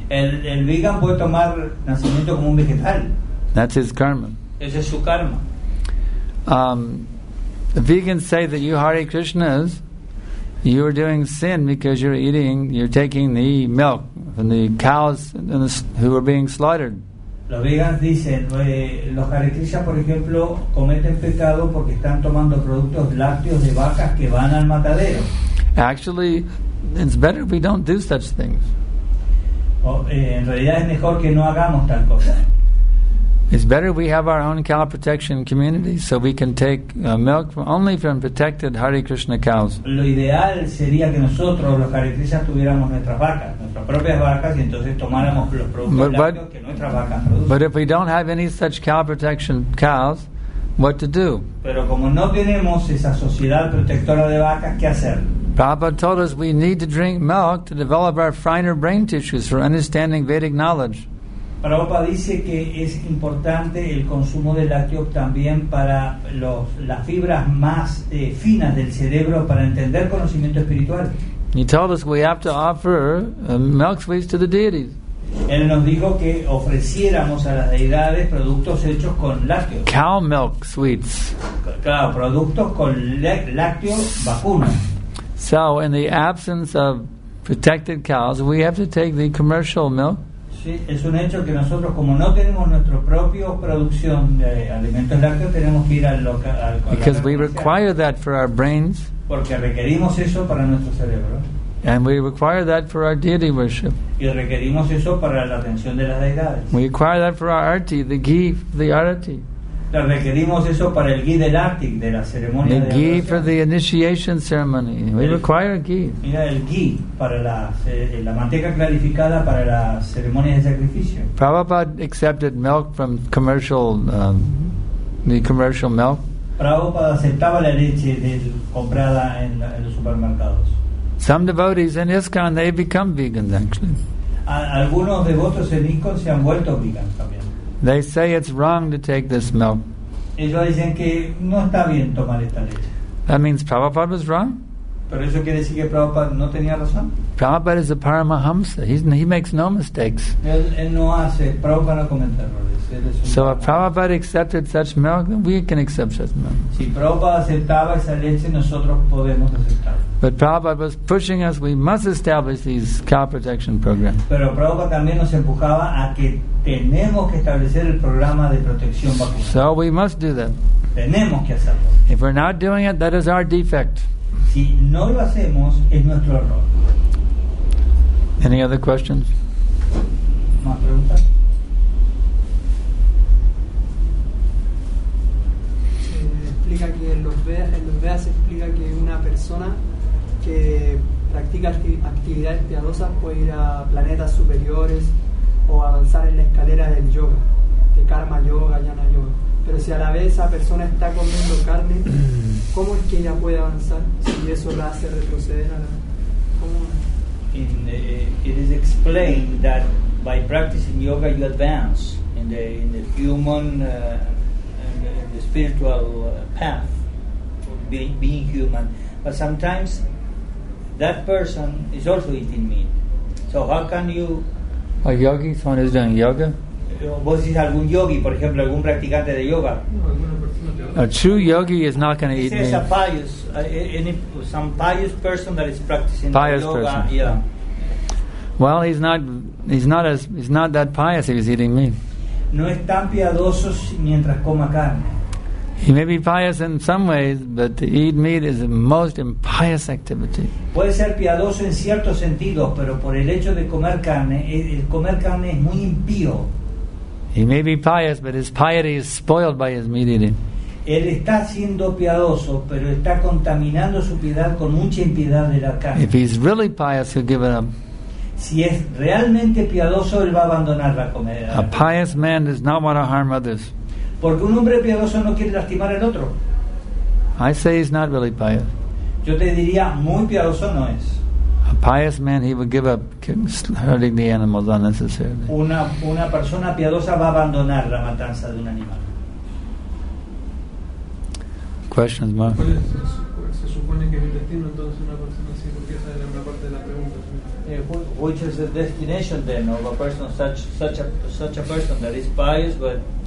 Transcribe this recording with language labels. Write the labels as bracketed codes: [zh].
[es] El vegan puede tomar nacimiento como un vegetal. [en] That's his karma. [es] Ese es su karma. [en] The vegans say that you Hare Krishnas, you are doing sin because you're taking the milk from the cows who are being slaughtered. [es] Los vegans dicen, los Hare Krishna, por ejemplo, cometen pecado porque están tomando productos lácteos de vacas que van al matadero. [en] Actually, it's better if we don't do such things. [es] En realidad es mejor que no hagamos tal cosa. [en] It's better we have our own cow protection community so we can take milk only from protected Hare Krishna cows. [es] Lo ideal sería que nosotros, los Hare Krishna, tuviéramos nuestras vacas, nuestras propias vacas, y entonces tomáramos los productos lácteos que nuestras vacas producen. [en] But if we don't have any such cow protection cows, what to do? [es] Pero como no tenemos esa sociedad protectora de vacas, ¿qué hacer? [en] Prabhupada told us we need to drink milk to develop our finer brain tissues for understanding Vedic knowledge. [es] Prabhupada dice que es importante el consumo de lácteos también para las fibras más finas del cerebro para entender conocimiento espiritual. [en] He told us we have to offer milk sweets to the deities. [es] Él nos dijo que ofreciéramos a las deidades productos hechos con lácteos. [en] Cow milk sweets. [es] Claro, productos con lácteos vacunos. [en] So in the absence of protected cows, we have to take the commercial milk. [es] Sí, es un hecho que nosotros, como no tenemos nuestra propia producción de alimentos lácteos, tenemos que ir al local. [en] Because we require that for our brains. [es] Porque requerimos eso para nuestro cerebro. [en] And we require that for our deity worship. [es] Y requerimos eso para la atención de las deidades. [en] We require that for our arti, the ghee, the arati. [es] Requerimos eso para el ghee del arti, de la ceremonia. [en] The [es] de [en] ghee [es] adoración. [en] For the initiation ceremony. We require ghee. [es] Mira, el ghee para la manteca clarificada para la ceremonia de sacrificio. [en] Prabhupada accepted milk from commercial milk. [es] Prabhupada aceptaba la leche comprada en los supermercados. [en] Some devotees in ISKCON, they become vegans, actually. [es] Algunos devotos en ISKCON se han vuelto vegans también. [en] They say it's wrong to take this milk. [es] Ellos dicen que no está bien tomar esta leche. [en] That means Prabhupada was wrong? [es] Pero eso quiere decir que Prabhupada no tenía razón. [en] Prabhupada is a Paramahamsa. He makes no mistakes. [es] Él no hace. Prabhupada no comete errores. [en] So if Prabhupada accepted such milk, then we can accept such milk. [es] Si Prabhupada aceptaba esa leche, nosotros podemos aceptarla. [en] But Prabhupada was pushing us, we must establish these cow protection programs. [es] Pero Prabhupada también nos empujaba a que tenemos que establecer el programa de protección vacuna. [en] So we must do that. [es] Tenemos que hacerlo. [en] If we're not doing it, that is our defect. [es] Si no lo hacemos, es nuestro error. [en] Any other questions? [es] ¿Más preguntas? Explica que en los Vedas se explica que una persona que practica actividades piadosas puede ir a planetas superiores o avanzar en la escalera del yoga, de karma yoga, jnana yoga. Pero si a la vez esa persona está comiendo carne, ¿cómo es que ella puede avanzar si eso la hace retroceder a la? ¿Cómo? [en] It is explained that by practicing yoga you advance in the human and the spiritual path of being human, but sometimes that person is also eating meat. So how can you? A yogi, someone is doing yoga. [es] ¿Vos dices algún yogi, por ejemplo, algún practicante de yoga? [en] A true yogi is not going to eat meat. A pious, some pious person that is practicing pious yoga. Person. Yeah. Well, he's not that pious if he's eating meat. [es] No es tan piadoso mientras coma carne. [en] He may be pious in some ways, but to eat meat is the most impious activity. [es] Puede ser piadoso en ciertos sentidos, pero por el hecho de comer carne, el comer carne es muy impío. [en] He may be pious, but his piety is spoiled by his meat eating. [es] Él está siendo piadoso, pero está contaminando su piedad con mucha impiedad de la carne. [en] If he's really pious, he'll give it up. [es] Si es realmente piadoso, él va a abandonar la comida. [en] A pious man does not want to harm others. [es] Porque un hombre piadoso no quiere lastimar al otro. [en] I say he's not really pious. [es] Yo te diría, muy piadoso no es. [en] A pious man, he would give up hurting the animals unnecessarily. [es] Una persona piadosa va a abandonar la matanza de un animal. [en] Questions, Mark? [es] Se supone que es el destino, entonces una persona así empieza a leer una parte de la pregunta. [en] Which is the destination then of a person such a person that is pious but